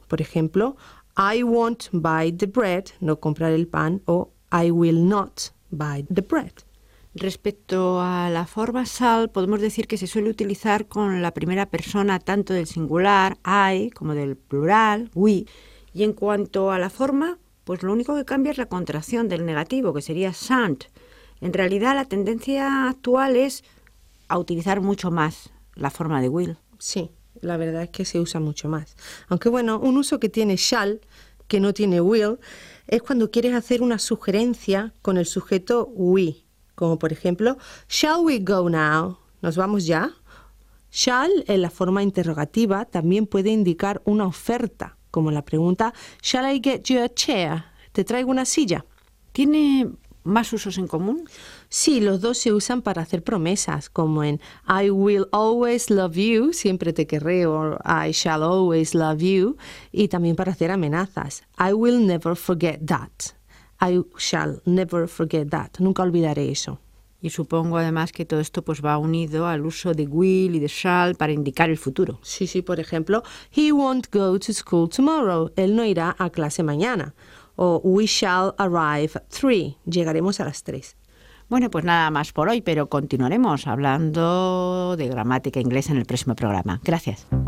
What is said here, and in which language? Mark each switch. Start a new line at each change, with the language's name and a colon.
Spanish: Por ejemplo,
English: I won't buy the bread,
Spanish: no compraré el pan, o
English: I will not buy the bread.
Spanish: Respecto a la forma shall, podemos decir que se suele utilizar con la primera persona tanto del singular, I, como del plural, we. Y en cuanto a la forma, pues lo único que cambia es la contracción del negativo, que sería shan't. En realidad, la tendencia actual es a utilizar mucho más la forma de will. Sí, la verdad es que se usa mucho más. Aunque bueno, un uso que tiene shall, que no tiene will, es cuando quieres hacer una sugerencia con el sujeto we. Como por ejemplo,
English: shall we go now?
Spanish: ¿Nos vamos ya? Shall, en la forma interrogativa, también puede indicar una oferta, como la pregunta,
English: shall I get you a chair?
Spanish: ¿Te traigo una silla? ¿Tiene más usos en común? Sí, los dos se usan para hacer promesas, como en
English: I will always love you,
Spanish: siempre te querré, o
English: I shall always love you,
Spanish: y también para hacer amenazas.
English: I will never forget that. I shall never forget that.
Spanish: Nunca olvidaré eso. Y supongo además que todo esto pues va unido al uso de will y de shall para indicar el futuro. Sí, sí, por ejemplo,
English: he won't go to school tomorrow.
Spanish: Él no irá a clase mañana. O
English: we shall arrive at 3.
Spanish: Llegaremos a las 3. Bueno, pues nada más por hoy, pero continuaremos hablando de gramática inglesa en el próximo programa. Gracias.